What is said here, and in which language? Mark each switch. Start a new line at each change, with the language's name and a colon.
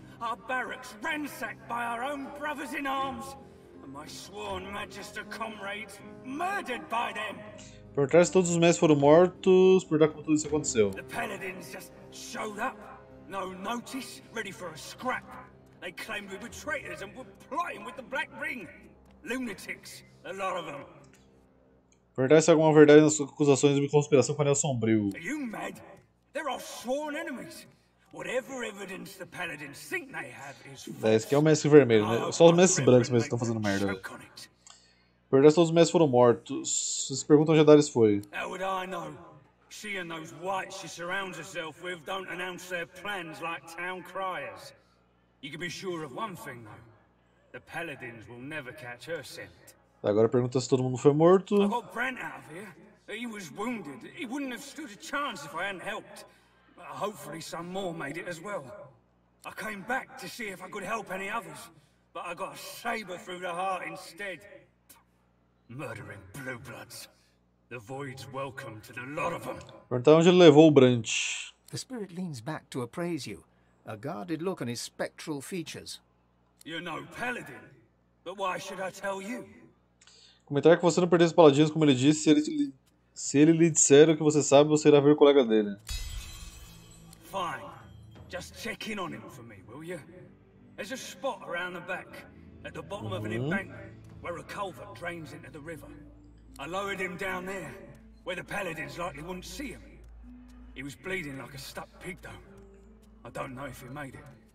English: Our barracks ransacked by our own brothers in arms, and my sworn magister comrades murdered by them.
Portuguese: Por trás todos os mestres foram mortos. Por trás como tudo isso aconteceu?
English: The paladins just showed up, no notice, ready for a scrap. They claimed we were traitors and were plotting with the Black Ring. Lunatics, a lot of them.
Portuguese: Perguntar se alguma verdade nas suas acusações de conspiração com o Anel Sombrio.
English: Are you mad? They're our sworn enemies. Whatever evidence the paladins think they have is false.
Portuguese: É, esse aqui é o mestre vermelho, né? Só os mestres brancos mesmo que estão fazendo merda. Perdão, todos os mestres foram mortos. Vocês se perguntam onde a Daris foi.
English: How would I know? Seeing those whites she surrounds herself with don't announce their plans like town criers. You can be sure of one thing, though. The paladins will never catch her scent.
Portuguese: Agora pergunta se todo mundo foi morto.
English: I got Brent out of here. He was wounded. He wouldn't have stood a chance if I hadn't helped. Hopefully some more made it as well. I came back to see if I could help any others, but I got a saber through the heart instead. Murdering blue bloods. The void's welcome to the lot of them.
Portuguese: Perguntar onde ele levou o Brent.
English: The spirit leans back to appraise you. A guarded look on his spectral features. You're no paladin, but why should I tell you?
Portuguese: Comentar que você não perdesse paladinos, como ele disse, se ele lhe disser o que você sabe, você irá ver o colega dele.
English: Fine. Just check in on him for me, will you? There's a spot around the back, at the bottom of an embankment, where a culvert drains into the river. I lowered him down there, where the paladins likely wouldn't see him. He was bleeding like a stuck pig, though. I don't know if he made it.